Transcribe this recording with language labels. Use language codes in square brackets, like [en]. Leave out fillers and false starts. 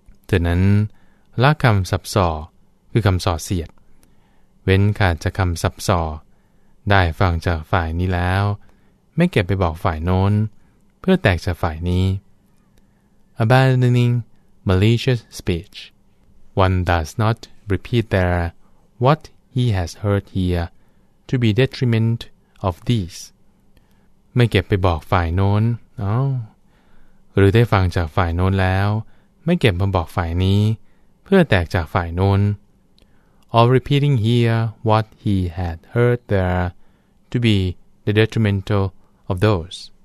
[th] ฉะนั้นละคำสับสอคือคำส่อเสียดเว้นขาดจากคำสับสอได้ฟังจากฝ่ายนี้แล้วไม่เก็บไปบอกฝ่ายโน้นเพื่อแตกจากฝ่ายนี้ [en] Abandoning malicious speech. One does not repeat there what he has heard here to be detriment of these. [th] ไม่เก็บไปบอกฝ่ายโน้นหรือได้ฟังจากฝ่ายโน้นแล้วไม่เก็บมาบอกฝ่ายนี้เพื่อแตกจากฝ่ายโน้น [en] Or repeating here what he had heard there to be the detrimental of those